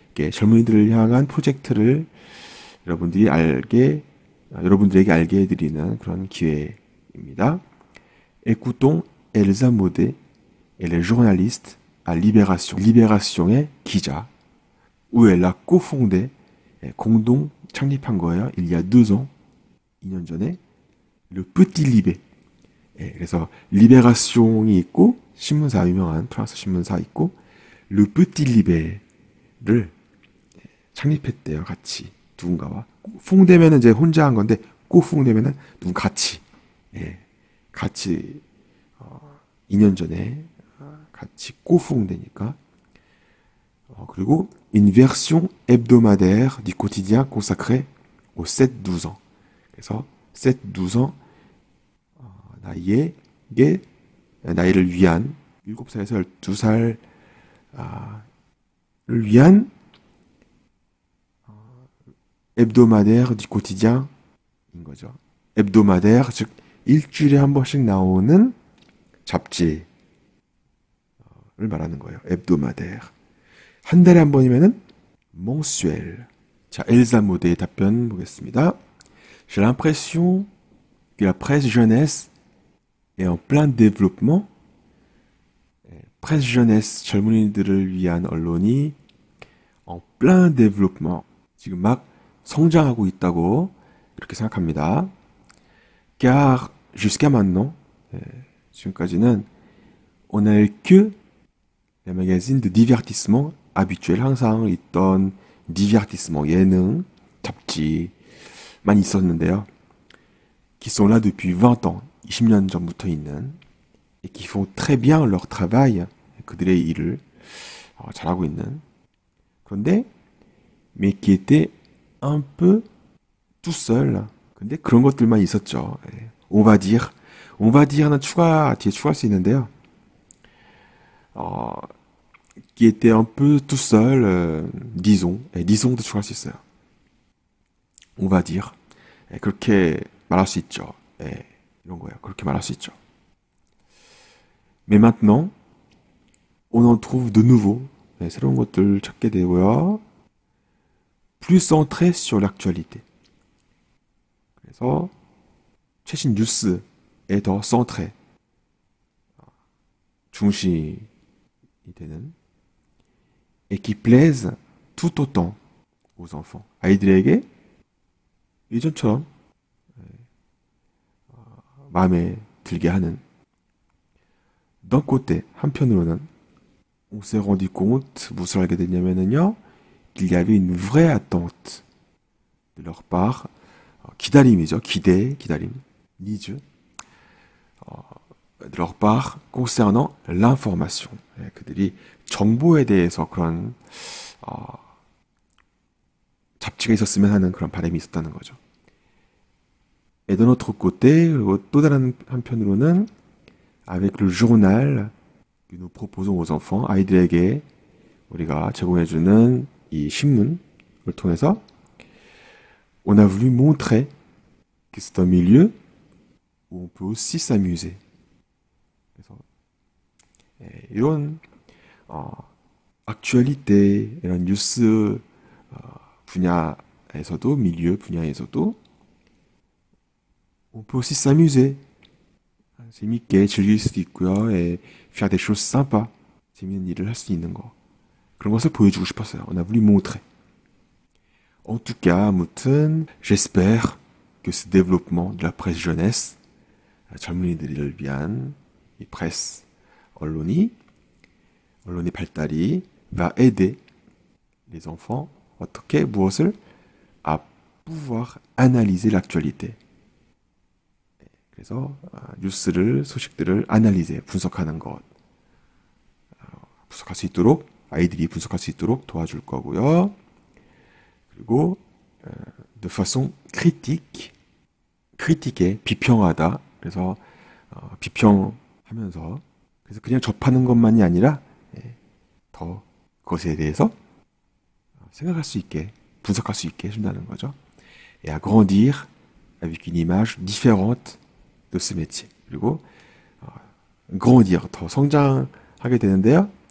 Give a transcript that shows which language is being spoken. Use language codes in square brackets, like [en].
[ko] 젊은이들을 향한 프로젝트를 여러분들에게 알게 해드리는 그런 기회입니다. [fr] Écoutons Elsa Maudet, elle est journaliste à Libération. Libération의 기자, où elle a cofondé, [ko] 공동 창립한 거예요. [fr] Il y a 2 ans, [ko] 2년 전에, [fr] le Petit Libé. [ko] 예, 그래서 리베라시옹이 있고 신문사 유명한 프랑스 신문사 있고 르 뿌띠 리베를 창립했대요 같이 누군가와 퐁대면은 이제 혼자 한 건데 꼭 퐁대면은 누군 같이 예 같이 2년 전에 같이 꼭 퐁대니까 [fr] 그리고 une version hebdomadaire du quotidien consacré aux 7-12 ans 그래서 7-12 ans [ko] 나이에게 나이를 위한 7살에서 12살을 위한 [fr] hebdomadaire du quotidien인 거죠. [ko] hebdomadaire 즉 일주일에 한 번씩 나오는 잡지를 말하는 거예요. hebdomadaire 한 달에 한 번이면은 mensuel. 자, 엘사 모드의 답변 보겠습니다. [fr] J'ai l'impression que la presse jeunesse est en plein développement. [ko] 프레스 제네스 젊은이들을 위한 언론이 [fr] en plein développement [ko] 지금 막 성장하고 있다고 이렇게 생각합니다. [fr] Car jusqu'à maintenant, [ko] 지금까지는 [fr] on n'avait que les magazines de divertissement habituels [ko] 항상 있던 [fr] divertissement [ko] 예능 잡지만 있었는데요. [fr] Qui sont là depuis 20 ans, [ko] 20년 전부터 있는 [fr] et qui font très bien leur travail. [ko] 그들의 일을 잘하고 있는 그런데 [fr] mais qui était un peu tout seul [ko] 근데 그런 것들만 있었죠 on va dire는 추가 뒤에 추가할 수 있는데요 [fr] qui était un peu tout seul [ko] disons도 추가할 수 있어요 [fr] on va dire [ko] 그렇게 말할 수 있죠 이런 거예요 그렇게 말할 수 있죠 [fr] mais maintenant On en trouve de nouveaux, [ko] 네, 새로운 것들 찾게 되고요. [fr] Plus centré sur l'actualité. [ko] 그래서 최신 뉴스에 더 centré, 중심이 되는. [fr] Et qui plaise tout autant aux enfants, [ko] 아이들에게 예전처럼 마음에 들게 하는. [fr] D'un côté, [ko] 한편으로는 [fr] On s'est rendu compte, [ko] 무슨 알게 됐냐면요, [fr] qu'il y avait une vraie attente de leur part, [ko] 기다림이죠, 기대, 기다림, [fr] need, de leur part concernant l'information. [ko] 예, 그들이 정보에 대해서 그런, 잡지가 있었으면 하는 그런 바람이 있었다는 거죠. [fr] Et d'un autre côté, [ko] 그리고 또 다른 한편으로는, [fr] avec le journal, Que nous proposons aux enfants, [ko] 아이들에게 우리가 제공해주는 이 신문을 통해서, [fr] on a voulu montrer que c'est un milieu où on peut aussi s'amuser. [ko] 이런, actualité, 이런 뉴스, 분야에서도, 밀류 분야에서도, [fr] on peut aussi s'amuser. [ko] 재밌게 즐길 수도 있고요. [fr] 에, faire des choses sympas. [ko] 재밌는 일을 할수 있는 거. 그런 것을 보여주고 싶었어요. [fr] On a voulu montrer. En tout cas, [ko] 아무튼, [fr] j'espère que ce développement de la presse jeunesse, [ko] 젊은이들을 위한 이 [fr] presse [ko] 언론의 발달이 [fr] va aider les enfants [ko] 어떻게 무엇을 [fr] à pouvoir analyser l'actualité. [ko] 그래서 뉴스를 소식들을 아날리즈해 분석하는 것 분석할 수 있도록 아이들이 분석할 수 있도록 도와줄 거고요. 그리고 [fr] de façon critique [ko] 에 비평하다 그래서 비평하면서 그래서 그냥 접하는 것만이 아니라 더 그것에 대해서 생각할 수 있게 분석할 수 있게 해준다는 거죠. [fr] Et à grandir avec une image différente. de ce métier. [ko] 그리고 grandir 더 성장하게 되는데요.